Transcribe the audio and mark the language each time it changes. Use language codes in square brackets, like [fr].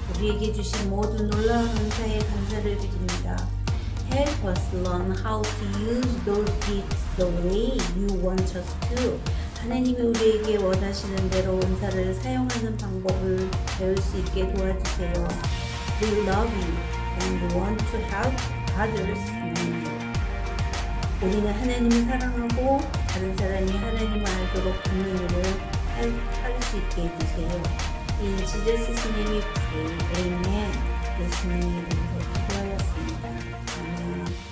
[ko] 우리에게 주신 모든 놀라운 은사에 감사를 드립니다. [en] Help us learn how to use those gifts the way you want us to. [ko] 하나님이 우리에게 원하시는 대로 은사를 사용하는 방법을 배울 수 있게 도와주세요. [en] We love you and want to help others. [ko] 우리는 하나님을 사랑하고 다른 사람이 하나님을 알도록 돕는 일을 할 수 있게 해주세요. [en] In Jesus' name we pray. Amen. [ko] 예수님의 이름으로 기도하였습니다. 아멘.